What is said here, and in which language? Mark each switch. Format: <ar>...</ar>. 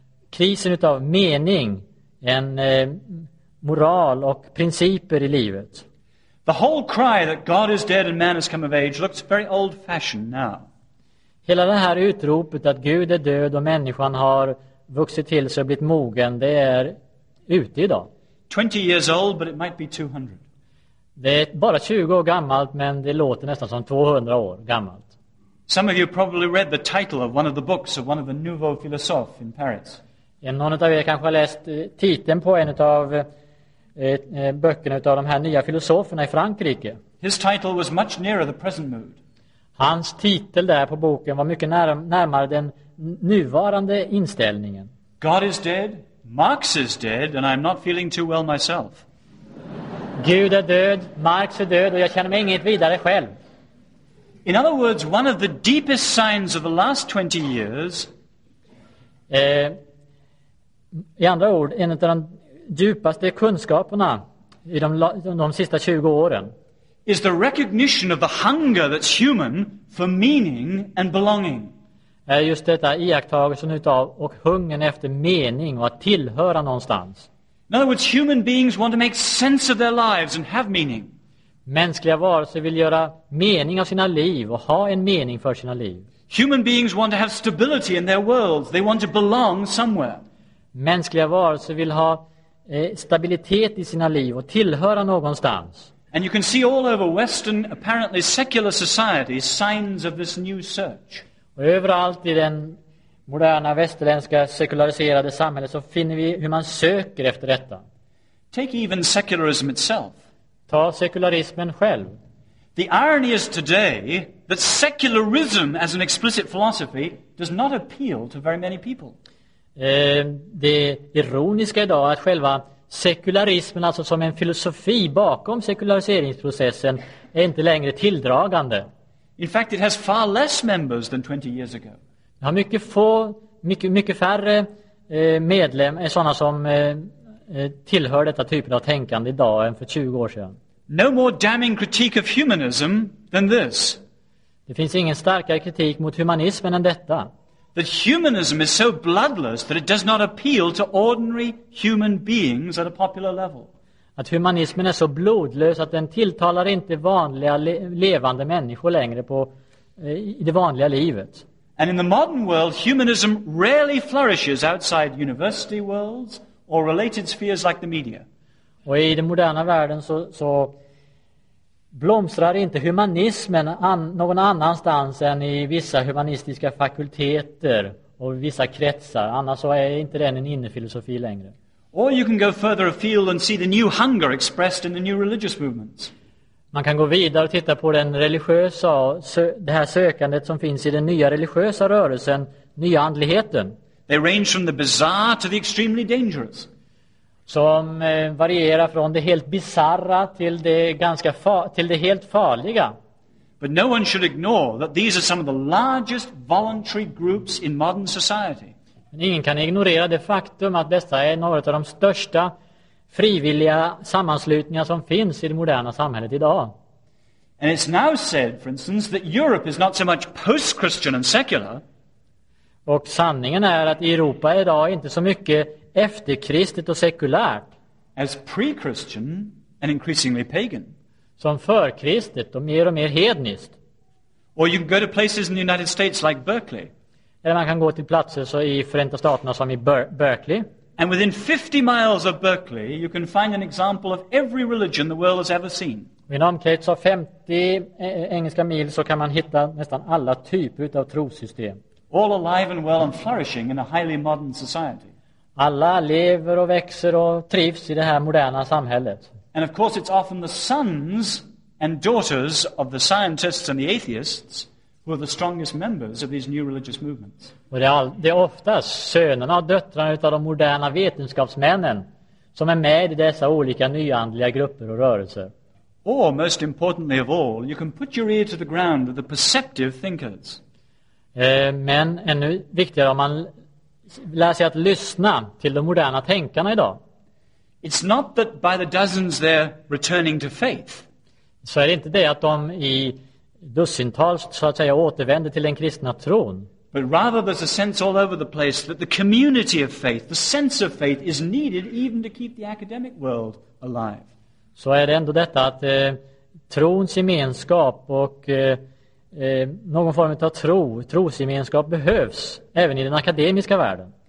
<sv>Krisen utav mening, en moral och principer i livet.</sv> <en>The whole cry that God is dead and man has come of age looks very old-fashioned now.</en> <sv>Hela det här utropet att Gud är död och människan har vuxit till sig och blivit mogen, det är ute idag.</sv> <en>20 years old, but it might be 200.</en> <sv>Det är bara 20 år gammalt, men det låter nästan som 200 år gammalt.</sv> <en>Some of you probably read the title of one of the books of one of the nouveau philosophes in Paris.</en> <sv>Någon av er kanske har läst titeln på en av böckerna av de här nya filosoferna i Frankrike.</sv> <en>His title was much nearer the present mood.</en> <sv>Hans titel där på boken var mycket närmare den nuvarande inställningen.</sv> <en>God is dead, Marx is dead and I'm not feeling too well myself.</en> <sv>Gud är död, Marx är död och jag känner mig inget vidare själv.</sv> <en>In other words, one of the deepest signs of the last 20 years.</en> <sv>I andra ord, en av de djupaste kunskaperna i de sista 20 åren.</sv> <en>Is the recognition of the hunger that's human for meaning and belonging.</en> <sv>Är just detta iakttagelsen utav och hungern efter mening och att tillhöra någonstans.</sv> <en>In other words, human beings want to make sense of their lives and have meaning.</en> <sv>Mänskliga varelser vill göra mening av sina liv och ha en mening för sina liv.</sv> <en>Human beings want to have stability in their worlds. They want to belong somewhere.</en> <sv>Mänskliga varelser vill ha stabilitet i sina liv och tillhöra någonstans.</sv> <en>And you can see all over Western, apparently secular society, signs of this new search.</en> <sv>Och överallt i den moderna västerländska sekulariserade samhället så finner vi hur man söker efter detta.</sv> <en>Take even secularism itself.</en> <sv>Ta sekularismen själv.</sv> <en>The irony is today that secularism as an explicit philosophy does not appeal to very many people.</en> <sv>Det ironiska idag är att själva sekularismen, alltså som en filosofi bakom sekulariseringsprocessen, är inte längre tilldragande.</sv> <en>In fact, it has far less members than 20 years ago.</en> <sv>Det har mycket få, mycket färre medlemmar, sådana som tillhör detta typen av tänkande idag än för 20 år sedan.</sv> <en>No more damning critique of humanism than this.</en> <sv>Det finns ingen starkare kritik mot humanismen än detta.</sv> <en>That humanism is so bloodless that it does not appeal to ordinary human beings at a popular level.</en> <sv>Att humanismen är så blodlös att den tilltalar inte vanliga levande människor längre på i det vanliga livet.</sv> <en>And in the modern world, humanism rarely flourishes outside university worlds or related spheres like the media.</en> <sv>Och i den moderna världen så blomstrar inte humanismen någon annanstans än i vissa humanistiska fakulteter och vissa kretsar. Annars så är inte den en innefilosofi längre.</sv> <en>Or you can go further afield and see the new hunger expressed in the new religious movements.</en> <sv>Man kan gå vidare och titta på den religiösa, det här sökandet som finns i den nya religiösa rörelsen, nya andligheten.</sv> <en>They range from the bizarre to the extremely dangerous.</en> <sv>Som varierar från det helt bizarra till det ganska till det helt farliga.</sv> <en>But no one should ignore that these are some of the largest voluntary groups in modern society.</en> <sv>Men ingen kan ignorera det faktum att dessa är några av de största frivilliga sammanslutningar som finns i det moderna samhället idag.</sv> <en>And it's now said, for instance, that Europe is not so much post-Christian and secular.</en> <sv>Och sanningen är att Europa idag inte så mycket efterkristet och sekulärt.</sv> <en>As pre-Christian and increasingly pagan.</en> <sv>Som förkristet och mer hedniskt.</sv> <en>Or you can go to places in the United States like Berkeley.</en> <sv>Eller man kan gå till platser så i Förenta Staterna som i Berkeley.</sv> <en>And within 50 miles of Berkeley you can find an example of every religion the world has ever seen.</en> <sv>Inom krets av 50 engelska mil så kan man hitta nästan alla typer utav trossystem.</sv> <en>All alive and well and flourishing in a highly modern society.</en> <sv>Alla lever och växer och trivs i det här moderna samhället.</sv> <en>And of course, it's often the sons and daughters of the scientists and the atheists who are the strongest members of these new religious movements.</en> <sv>Och det är oftast sönerna och döttrarna utav de moderna vetenskapsmännen som är med i dessa olika nyandliga grupper och rörelser.</sv> <en>Or most importantly of all, you can put your ear to the ground of the perceptive thinkers.</en> <sv>Men ännu viktigare om man lär sig att lyssna till de moderna tänkarna idag.</sv> <en>It's not that by the dozens they're returning to faith.</en> <sv>Så är det inte det att de i dussintals så att säga återvänder till den kristna tron.</sv> <en>But rather there's a sense all over the place that the community of faith, the sense of faith is needed even to keep the academic world alive.</en> <sv>Så är det ändå detta att trons gemenskap och någon form av trosgemenskap behövs även i den akademiska världen.</sv>